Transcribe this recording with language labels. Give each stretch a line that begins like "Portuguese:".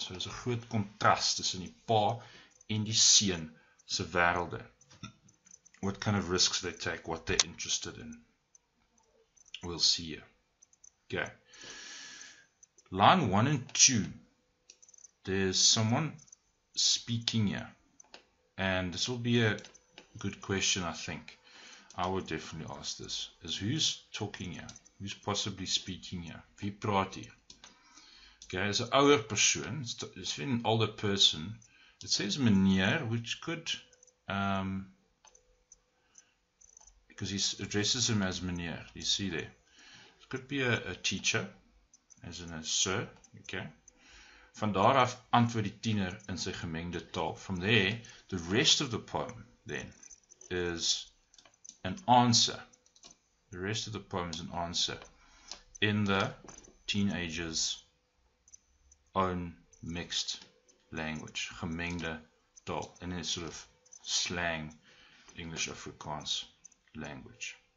English: So there's a
Afrikaans: groot contrast tussen die pa en die seun se wêrelde.
English: What kind of risks they take, what they're interested in. We'll see here. Okay. Line 1 and 2. There's someone speaking here. And this will be a good question, I think. I would definitely ask this. Is who's talking here? Who's possibly speaking here?
Afrikaans: Wie praat hier?
English: Okay, it's an
Afrikaans: ouer persoon.
English: It's been an older person. It says meneer, which could... because he addresses him as meneer. You see there. It could be a teacher, as in a sir. Okay.
Afrikaans: Van daar af antwoord die tiener in sy gemengde taal.
English: From there, the rest of the poem, then, is... an answer. The rest of the poem is an answer in the teenager's own mixed language, gemengde taal, in a sort of slang English Afrikaans language.